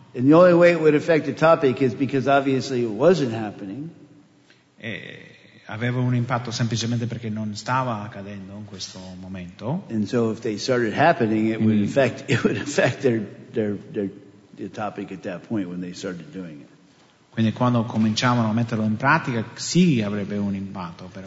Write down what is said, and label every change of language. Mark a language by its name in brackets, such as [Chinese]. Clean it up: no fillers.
[English] And the only way it would affect the topic is because obviously it wasn't happening. [Italian] E aveva un impatto semplicemente perché non stava accadendo in questo momento. [English] And so if they started happening, it would affect their topic at that point when they started doing it. [Italian] Quindi quando cominciavano a metterlo in pratica, sì, avrebbe un impatto, però.